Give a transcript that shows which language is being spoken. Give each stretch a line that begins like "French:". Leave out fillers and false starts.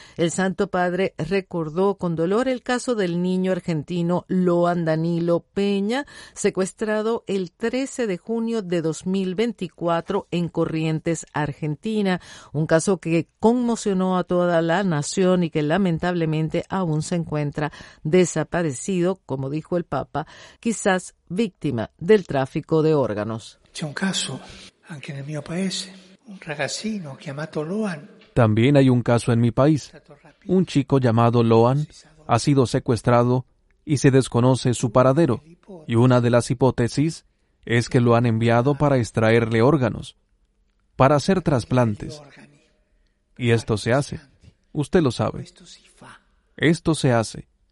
Spanish: el Santo Padre recordó con dolor el caso del niño argentino Loan Danilo Peña, secuestrado el 13 de junio de 2024 en Corrientes, Argentina, un caso que conmocionó a toda la nación y que lamentablemente aún se encuentra desaparecido, como dijo el Papa, quizás víctima del tráfico de órganos.
Italian: C'è un caso, anche nel mio paese, un ragazzino chiamato Loan.
Spanish: También hay un caso en mi país. Un chico llamado Loan ha sido secuestrado y se desconoce su paradero. Y una de las hipótesis es que lo han enviado para extraerle órganos, para hacer trasplantes. Y esto se hace. Usted lo sabe. Esto se hace.